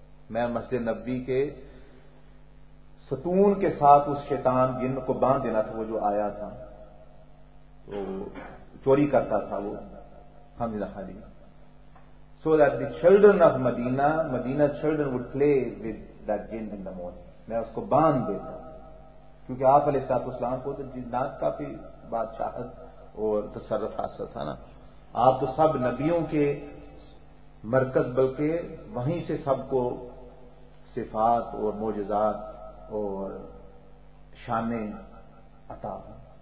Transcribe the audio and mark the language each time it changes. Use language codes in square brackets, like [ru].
[ur] میں مسجد نبوی کے ستون کے ساتھ اس شیطان جن کو باندھ دینا تھا, وہ جو آیا تھا تو چوری کرتا تھا وہ حمزہ حالی. [en] So that the children of Medina children would play with that jinn in the morning. [ur] میں اس کو باندھ دیتا کیونکہ آپ علیہ السلام کو تو جنات کا بھی بادشاہت اور تصرف حاصل تھا نا. آپ تو سب نبیوں کے مرکز, بلکہ وہیں سے سب کو صفات اور معجزات اور شانیں عطا ہوں.